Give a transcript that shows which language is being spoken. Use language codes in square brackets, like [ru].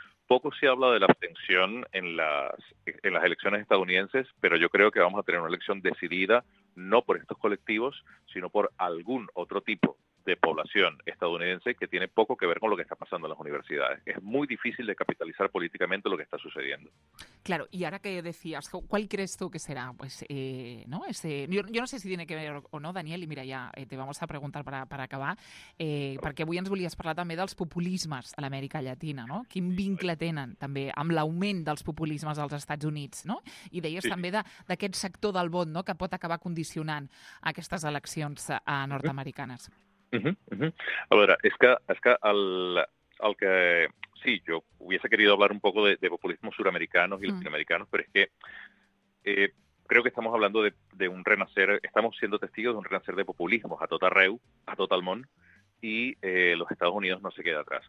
[es] Poco se habla de la abstención en las elecciones estadounidenses, pero yo creo que vamos a tener una elección decidida no por estos colectivos, sino por algún otro tipo de población estadounidense que tiene poco que ver con lo que está pasando en las universidades. Es muy difícil de capitalizar políticamente lo que está sucediendo. Claro, y ahora que decías, ¿cuál crees tú que será? Pues, ¿no? Yo no sé si tiene que ver o no, [ca] Daniel, i mira, ja [es] te vamos a preguntar para acabar, [ca] perquè avui ens volies parlar també dels populismes a l'Amèrica Llatina, no? Quin vincle tenen també amb l'augment dels populismes als Estats Units, no? I deies també d'aquest sector del vot, no?, que pot acabar condicionant aquestes eleccions nord-americanes. A veure, és que el que... Sí, jo [es] hubiese querido hablar un poco de populismos suramericanos y latinoamericanos, pero es que creo que estamos hablando de un renacer, estamos siendo testigos de un renacer de populismos [ca] a tota arreu, a tot el món, [es] y los Estados Unidos no se queda atrás.